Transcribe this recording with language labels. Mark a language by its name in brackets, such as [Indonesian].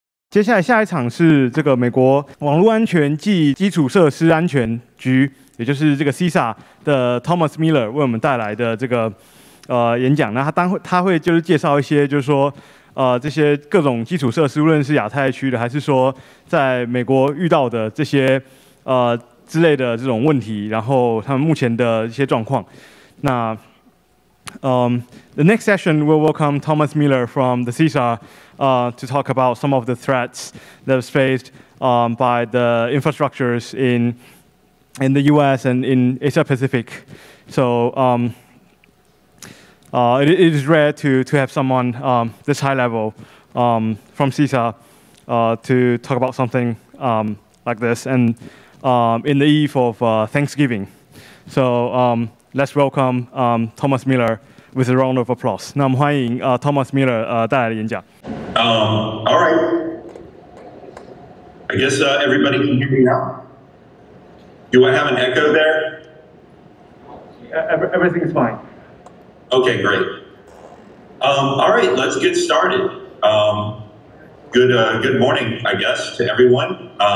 [Chinese] 接下来下一场是这个美国网络安全暨基础设施安全局，也就是这个 CISA 的 Thomas Miller 为我们带来的这个演讲。那他会就是介绍一些，就是说这些各种基础设施，无论是亚太区的，还是说在美国遇到的这些之类的这种问题，然后他们目前的一些状况。 [English] 那the next session we'll welcome Thomas Miller from the CISA to talk about some of the threats that was faced by the infrastructures in the US and in Asia Pacific. So it is rare to have someone this high level from CISA to talk about something like this and in the eve of Thanksgiving. So let's welcome Thomas Miller with a round of applause. [Chinese] 那我们欢迎Thomas Miller带来的演讲。 [English] All right. I guess everybody can hear me now. Do I have an echo there? Everything is fine. Okay, great. All right, let's get started. Good morning, I guess, to everyone.